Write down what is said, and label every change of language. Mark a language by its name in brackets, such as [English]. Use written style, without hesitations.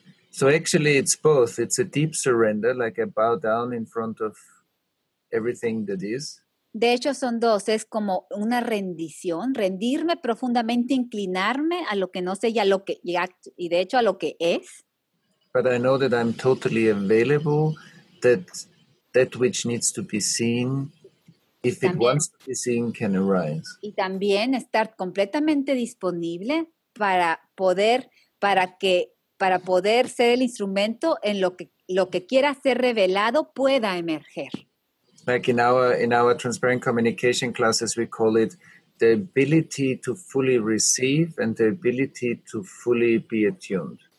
[English] So actually it's both. It's a deep surrender, like I bow down in front of everything that is. [Spanish] De hecho son dos, es como una rendición, rendirme profundamente, inclinarme a lo que no sé y de hecho a lo que es. [English] But I know that I'm totally available, that which needs to be seen, if [Spanish] también, [English] it wants to be seen, can arise. [Spanish] Y también estar completamente disponible para poder ser el instrumento en lo que quiera ser revelado pueda emerger. [English] Like in our transparent communication classes, we call it the ability to fully receive and the ability to fully be attuned.